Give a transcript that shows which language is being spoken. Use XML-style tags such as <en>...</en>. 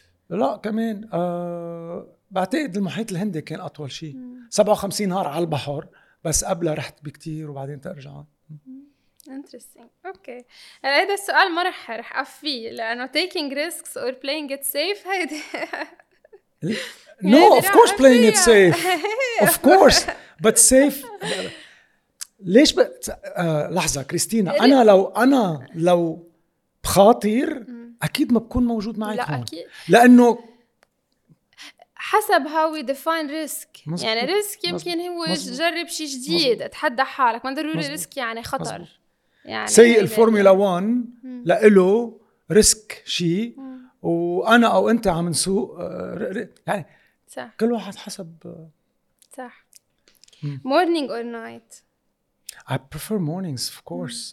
<ar>لا كمان بعتقد المحيط الهندي كان أطول شيء. 57 نهار على البحر، بس قبلها رحت بكتير وبعدين ترجع.</ar> <en>Interesting. Okay.</en> <ar>هذا السؤال ما رح أفي لأنه</ar> <en>taking risks or playing it safe</en> <ar>هيدا.</ar> <en>No of course playing it safe. Of course. But safe.</en> <ar>ليش لحظة كريستينا، أنا لو بخاطر أكيد ما بكون موجود معي. لا أكيد. لأنه حسب</ar> <en>how we define risk.</en> <ar>مزبوط. يعني risk يمكن هو جرب شيء جديد. مزبوط. اتحدى حالك، ما ضروري risk يعني خطر. يعني سي الفورمولا 1 لإله risk شيء، وأنا أو أنت عم نسوق يعني صح. كل واحد حسب صح.</ar> <en>Morning or night؟ I prefer mornings, of course.</en>